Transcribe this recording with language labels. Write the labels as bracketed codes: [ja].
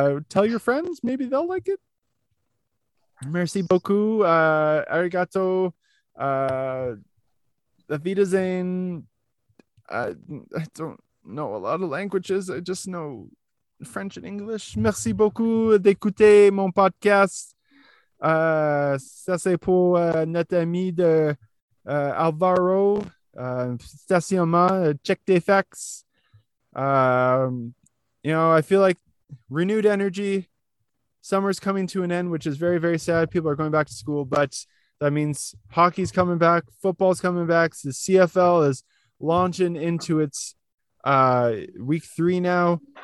[en] Tell your friends, maybe they'll like it. [fr] Merci beaucoup. [ja] Arigato. [en] Avidazain. I don't know a lot of languages. I just know French and English. [fr] Merci beaucoup d'écouter mon podcast. Ça c'est pour notre ami de Alvaro. Stationnement. Check tes fax. [en] You know, I feel like renewed energy. Summer's coming to an end, which is very, very sad. People are going back to school, but that means hockey's coming back. Football's coming back. The CFL is launching into its week three now.